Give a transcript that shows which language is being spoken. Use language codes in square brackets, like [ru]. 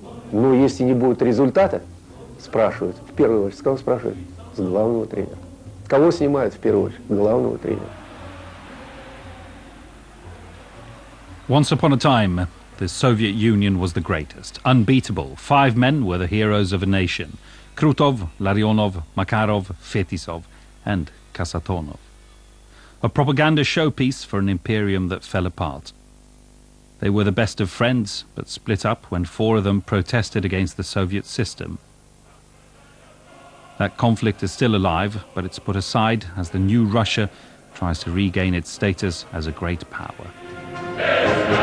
[ru] Ну, если не будет результата, спрашивают, в первую очередь, с кого спрашивают? С главного тренера. Кого снимают в первую очередь? Главного тренера. [en] Once upon a time, the Soviet Union was the greatest, unbeatable. Five men were the heroes of a nation. Крутов, Ларионов, Макаров, Фетисов and Касатонов. A propaganda showpiece for an imperium that fell apart. They were the best of friends, but split up when four of them protested against the Soviet system. That conflict is still alive, but it's put aside as the new Russia tries to regain its status as a great power.